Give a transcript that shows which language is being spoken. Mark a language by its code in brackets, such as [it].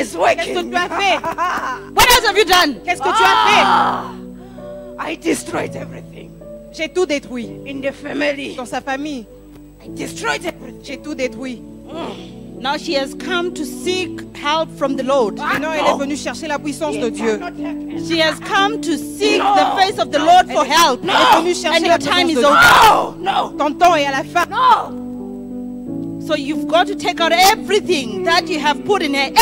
[en] Is working. [fr] Qu'est-ce que tu as fait? [en] What else have you done? [fr] Qu'est-ce que tu as fait? [en] I destroyed everything. [fr] J'ai tout détruit. [en] In the family. [fr] Dans sa famille. [en] I destroyed everything. [fr] J'ai tout détruit. [en] Now she has come to seek help from the Lord. [fr] Maintenant, elle est venue chercher la puissance de Dieu. [en] She has come to seek the face of the Lord for help. [fr] Elle est venue chercher [en] and your time is over. [fr] Ton temps est à la fin. [en] So you've got to take out everything that you have put in her.